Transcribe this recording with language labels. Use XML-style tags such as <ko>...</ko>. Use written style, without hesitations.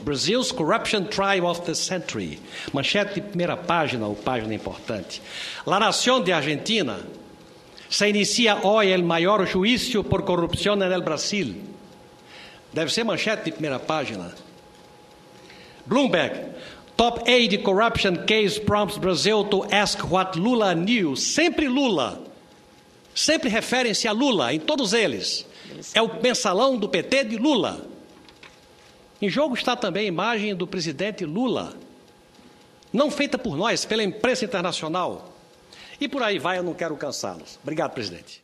<en>Brazil's corruption trial of the century.</en> <pt>Manchete de primeira página, ou página importante.</pt> <es>La Nación de Argentina se inicia hoy el mayor juicio por corrupción en el Brasil.</es> <pt>Deve ser manchete de primeira página. Bloomberg.</pt> <en>Top aid corruption case prompts Brazil to ask what Lula knew.</en> <pt>Sempre Lula. Sempre referem-se a Lula em todos eles. É o mensalão do PT de Lula. Em jogo está também a imagem do presidente Lula. Não feita por nós, pela imprensa internacional. E por aí vai, eu não quero cansá-los. Obrigado, presidente.</pt>